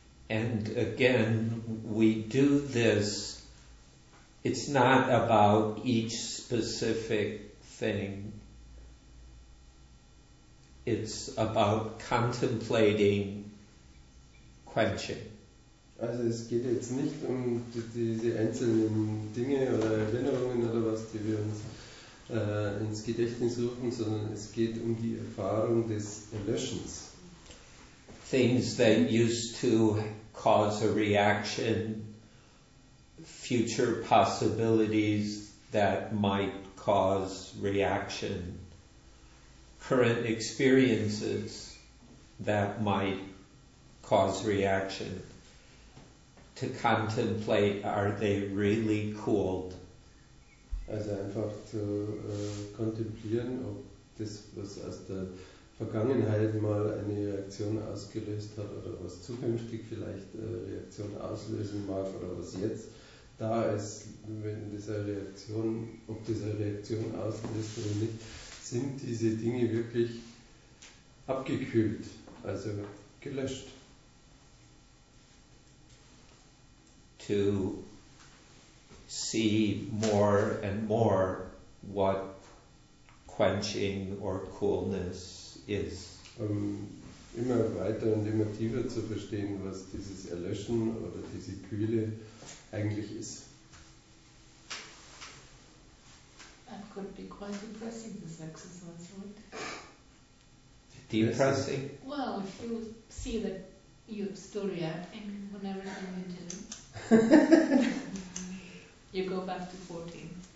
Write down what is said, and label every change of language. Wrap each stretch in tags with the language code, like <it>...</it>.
<en>And again, we do this, it's not about each specific thing, it's about contemplating quenching.</en> <de>Also es geht jetzt nicht um diese einzelnen Dinge oder Erinnerungen oder was, die wir uns ins Gedächtnis rufen, sondern es geht um die Erfahrung des Erlöschens.</de> <en>Things that used to cause a reaction, future possibilities that might cause reaction, current experiences that might cause reaction. To contemplate, are they really cooled?</en> <de>Also einfach zu kontemplieren, ob das, was aus der Vergangenheit mal eine Reaktion ausgelöst hat, oder was zukünftig vielleicht eine Reaktion auslösen mag, oder was jetzt da ist, wenn diese Reaktion, ob diese Reaktion auslöst oder nicht, sind diese Dinge wirklich abgekühlt, also gelöscht.</de> <en>To see more and more what quenching or coolness is.</en> <de>Immer weiter und immer tiefer zu verstehen, was dieses Erlöschen oder diese Kühle eigentlich ist.</de> <en>I could be quite depressing, the sex is not so good. Depressing? Well, if you see that your story acting on everything you do, you go back to 14.</en>